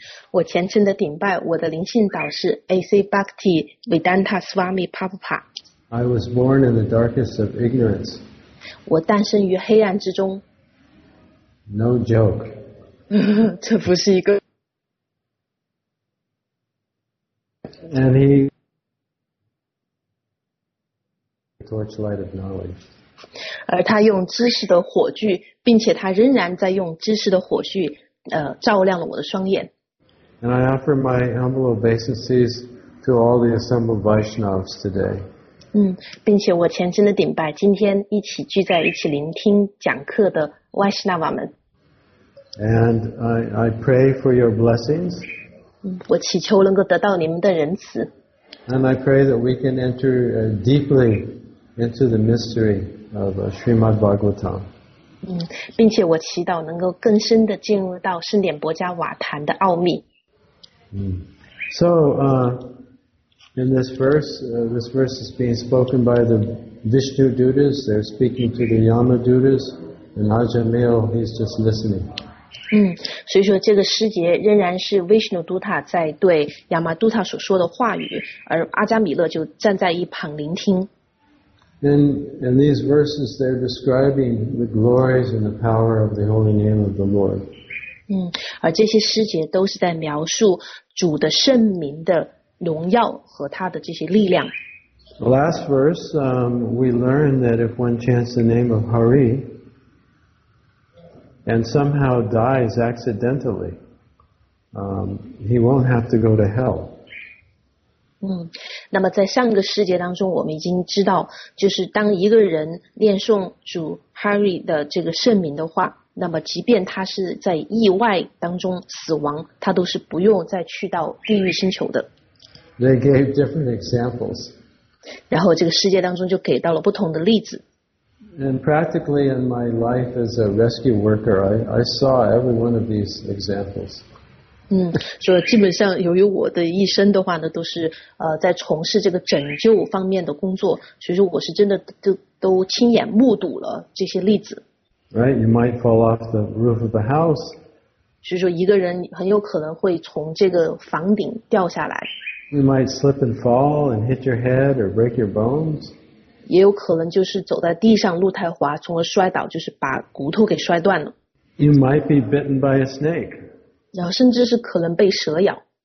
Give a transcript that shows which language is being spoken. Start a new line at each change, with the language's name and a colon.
Chinese: 我虔诚地顶拜我的灵性导师 A.C.
English: Bhaktivedanta Swami Prabhupada. I was born in the darkest of ignorance.
Chinese: 我诞生于黑暗之中。
English: No joke.
Chinese: 这不是一个。
English: And he... Torchlight of knowledge.
Chinese: 而他用知识的火炬，并且他仍然在用知识的火炬，照亮了我的双眼。
English: And I offer my humble obeisances to all the assembled Vaishnavas today.
Chinese: 并且我虔诚的顶拜今天一起聚在一起聆听讲课的 Vaishnava 们。
English: And I pray for your blessings.
Chinese: 我祈求能够得到你们的仁慈。
English: And I pray that we can enter deeply into the mystery of Srimad Bhagavatam.
Chinese: 并且我祈祷能够更深地进入到圣典薄伽瓦坛的奥秘。
English: So, in this verse is being spoken by the Vishnu Dutas. They're speaking to the Yama Dutas, and Ajamil, he's just listening.
Chinese: 所以说这个诗节仍然是 Vishnu Dutta 在对 Yama Dutta 所说的话语，而阿加米勒就站在一旁聆听。
English: And these verses, they're describing the glories and the power of the holy name of the Lord.
Chinese: 而这些诗节都是在描述主的圣名的荣耀和他的这些力量。
English: The last verse, we learn that if one chants the name of Hari and somehow dies accidentally, he won't have to go to hell.
Chinese: 那么在上个世界当中我们已经知道，就是当一个人念诵主 Hari 的这个圣名的话，那么即便他是在意外当中死亡，他都是不用再去到地狱星球的。
English: They gave different examples.
Chinese: 然后这个世界当中就给到了不同的例子。
English: And practically in my life as a rescue worker, I saw every one of these examples.
Chinese: 所以基本上由于我的一生的话呢都是在从事这个拯救方面的工作，所以说我是真的都亲眼目睹了这些例子。
English: Right, you might fall off the roof of the house.
Chinese: 所以说一个人很有可能会从这个房顶掉下来。
English: You might slip and fall and hit your head or break your bones.
Chinese: 也有可能就是走在地上路太滑，从而摔倒，就是把骨头给摔断了。
English: You might be bitten by a snake.
Chinese: 然后甚至是可能被蛇咬。